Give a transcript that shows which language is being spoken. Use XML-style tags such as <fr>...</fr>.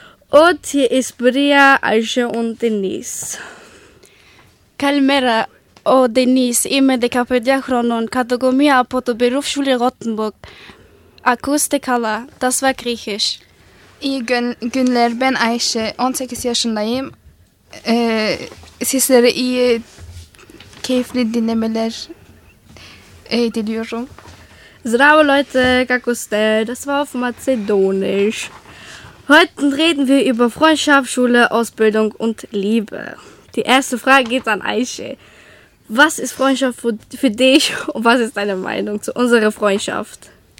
<de>Und hier ist Bria, Aisha und Denise.</de> <el>Kalimera, Denise, είμαι 15 χρονών, κατοικούμαι από το Berufsschule Rottenburg. Ακούστε καλά,</el> <de>das war Griechisch. Ich bin Günler, bin Aisha, 18 Jahre alt.</de> <tr>Sizlere iyi, keyifli dinlemeler diliyorum.</tr> <mk>Zdravo</mk> <de>Leute,</de> <mk>kako ste?</mk> <de>Das war auf Mazedonisch. Heute reden wir über Freundschaft, Schule, Ausbildung und Liebe. Die erste Frage geht an Aisha. Was ist Freundschaft für dich und was ist deine Meinung zu unserer Freundschaft?</de>